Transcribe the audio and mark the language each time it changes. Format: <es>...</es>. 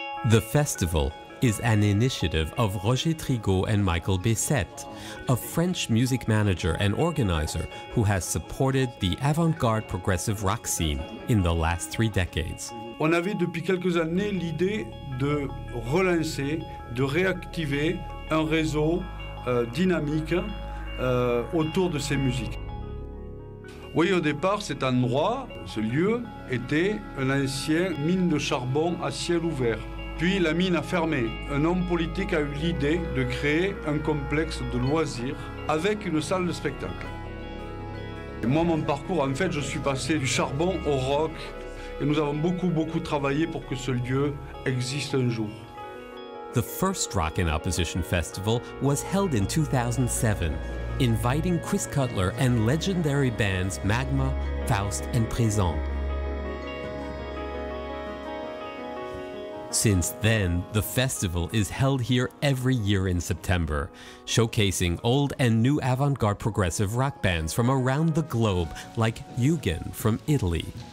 <en>The festival is an initiative of Roger Trigo and Michael Bessette, a French music manager and organizer who has supported the avant-garde progressive rock scene in the last three decades.</en> <fr>On avait depuis quelques années l'idée de relancer, de réactiver un réseau dynamique autour de ces musiques. Oui, au départ, cet endroit, ce lieu, était un ancien mine de charbon à ciel ouvert. Puis la mine a fermé. Un homme politique a eu l'idée de créer un complexe de loisirs avec une salle de spectacle. Et moi, mon parcours, en fait, je suis passé du charbon au rock. Et nous avons beaucoup, beaucoup travaillé pour que ce lieu existe un jour.</fr> <en>The first Rock in Opposition Festival was held in 2007, inviting Chris Cutler and legendary bands Magma, Faust and Prezon. Since then, the festival is held here every year in September, showcasing old and new avant-garde progressive rock bands from around the globe, like Jugend from Italy.</en>